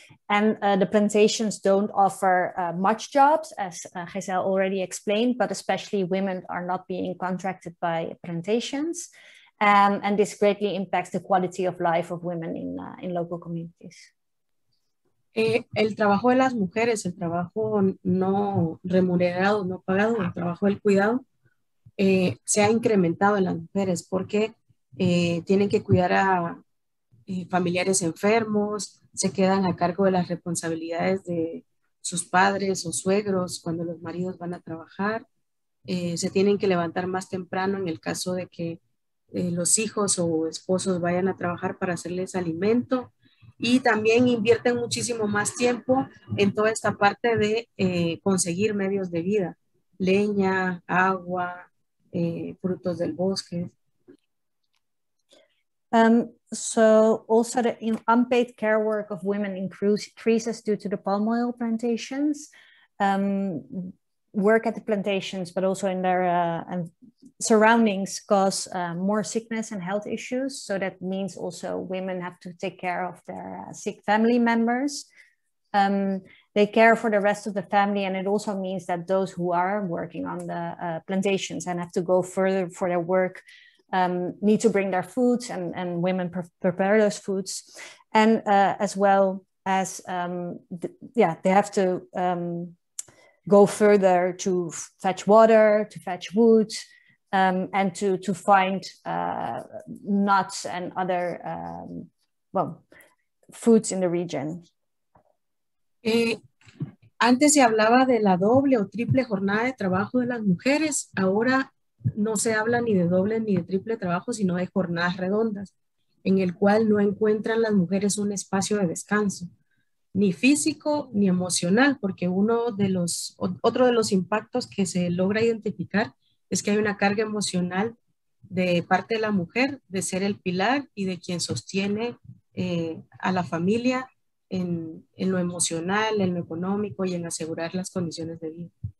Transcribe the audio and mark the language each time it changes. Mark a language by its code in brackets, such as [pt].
[en] And the plantations don't offer much jobs, as Gheiselle already explained, but especially women are not being contracted by plantations. And this greatly impacts the quality of life of women in local communities. [es] El trabajo de las mujeres, el trabajo no remunerado, no pagado, el trabajo del cuidado, se ha incrementado en las mujeres porque tienen que cuidar a familiares enfermos, se quedan a cargo de las responsabilidades de sus padres o suegros cuando los maridos van a trabajar, se tienen que levantar más temprano en el caso de que los hijos o esposos vayan a trabajar para hacerles alimento y también invierten muchísimo más tiempo en toda esta parte de conseguir medios de vida, leña, agua, frutos del bosque. [en] So also the unpaid care work of women increases due to the palm oil plantations. Work at the plantations, but also in their surroundings, cause more sickness and health issues. So that means also women have to take care of their sick family members. They care for the rest of the family, and it also means that those who are working on the plantations and have to go further for their work need to bring their foods, and women prepare those foods, and as well as they have to go further to fetch water, to fetch wood, and to find nuts and other foods in the region. [es] Antes se hablaba de la doble o triple jornada de trabajo de las mujeres. Ahora no se habla ni de doble ni de triple trabajo, sino de jornadas redondas, en el cual no encuentran las mujeres un espacio de descanso, ni físico ni emocional, porque otro de los impactos que se logra identificar es que hay una carga emocional de parte de la mujer de ser el pilar y de quien sostiene a la familia en lo emocional, en lo económico y en asegurar las condiciones de vida.